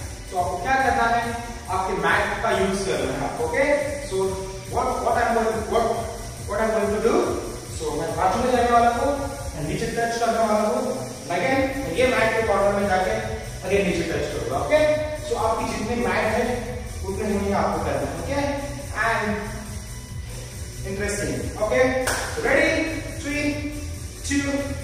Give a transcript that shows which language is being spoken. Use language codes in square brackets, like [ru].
[hi] So आपको क्या करना है? आपके mat का use करना है आपको. [en] Okay, so what I'm going to do? [hi] So, मैं बाजू में जाने वाला हूँ नीचे टच करने वाला हूँ अगेन ये मैट के कॉर्नर में जाके अगेन नीचे टच करूंगा [en] okay so [hi] आपकी जितने मैट है उतने ही आपको करना है okay [en] and interesting okay ready [hi] 3 2